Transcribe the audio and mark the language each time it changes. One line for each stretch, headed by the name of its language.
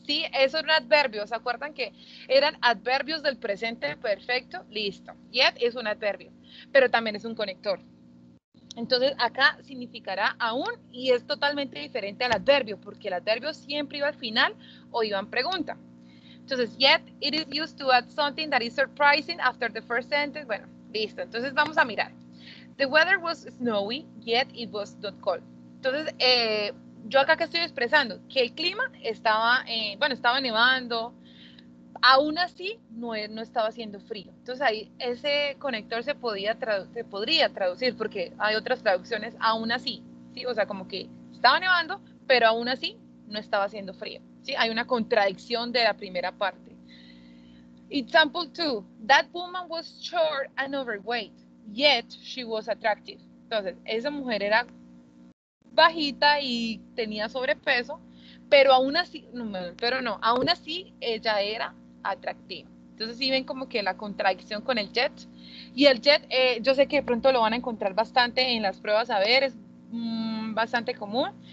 Spanish: Sí, eso era un adverbio, ¿se acuerdan que eran adverbios del presente perfecto? Listo, yet es un adverbio, pero también es un conector. Entonces, acá significará aún, y es totalmente diferente al adverbio, porque el adverbio siempre iba al final o iba en pregunta.
English: Entonces, yet, it is used to add something that is surprising after the first sentence.
Spanish: Bueno, listo. Entonces, vamos a mirar.
English: The weather was snowy, yet it was not cold.
Spanish: Entonces, yo acá que estoy expresando que el clima estaba, bueno, estaba nevando, aún así no estaba haciendo frío. Entonces ahí ese conector se podría traducir, porque hay otras traducciones, aún así, ¿sí? O sea, como que estaba nevando, pero aún así no estaba haciendo frío, ¿sí? Hay una contradicción de la primera parte.
English: Example 2, that woman was short and overweight, yet she was attractive.
Spanish: Entonces, esa mujer era bajita y tenía sobrepeso, pero aún así, aún así ella era atractiva. Entonces, si ¿sí ven como que la contradicción con el yet? Y el yet, yo sé que de pronto lo van a encontrar bastante en las pruebas, a ver, es bastante común.